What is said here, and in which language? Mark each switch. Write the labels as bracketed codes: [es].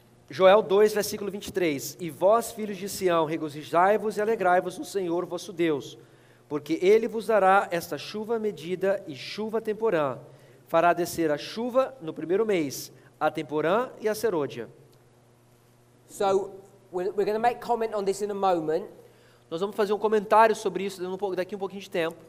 [pt] Joel 2, versículo 23. E vós, filhos de Sião, regozijai-vos e alegrai-vos no Senhor vosso Deus, porque Ele vos dará esta chuva medida e chuva temporã. Fará descer a chuva no primeiro mês, a temporã e a serôdia. [en] So, we're going to make comment on this in a moment. [pt] Nós vamos fazer um comentário sobre isso daqui um pouquinho de tempo.